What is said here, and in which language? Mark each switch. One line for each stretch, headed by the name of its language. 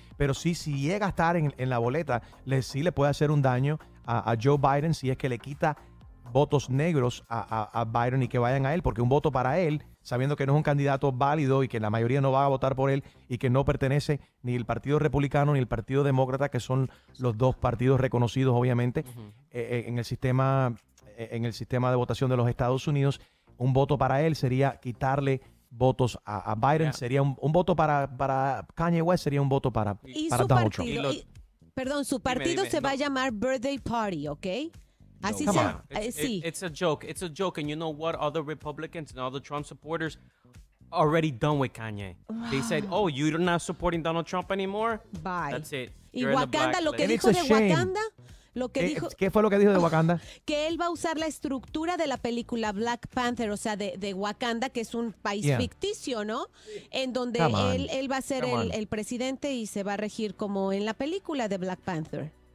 Spanish: Pero sí, si llega a estar en la boleta, sí le puede hacer un daño a Joe Biden si es que le quita votos negros a Biden y que vayan a él, porque un voto para él, sabiendo que no es un candidato válido y que la mayoría no va a votar por él y que no pertenece ni el Partido Republicano ni el Partido Demócrata, que son los dos partidos reconocidos, obviamente, en el sistema de votación de los Estados Unidos, un voto para él sería quitarle votos a Biden. Yeah. Sería un voto para Kanye West, sería un voto para Donald partido, Trump. Su partido va a llamar Birthday Party, ¿ok?
English: It's a joke, and you know what? All the Republicans and all the Trump supporters already done with Kanye. They said, "Oh, you're not supporting Donald Trump anymore." Bye. That's it.
Spanish: Y Wakanda, lo que dijo de Wakanda, lo que dijo. ¿Qué fue lo que dijo de Wakanda? Que él va a usar la estructura de la película Black Panther, o sea, de Wakanda, que es un país ficticio, ¿no? En donde él va a ser el presidente y se va a regir como en la película de Black Panther.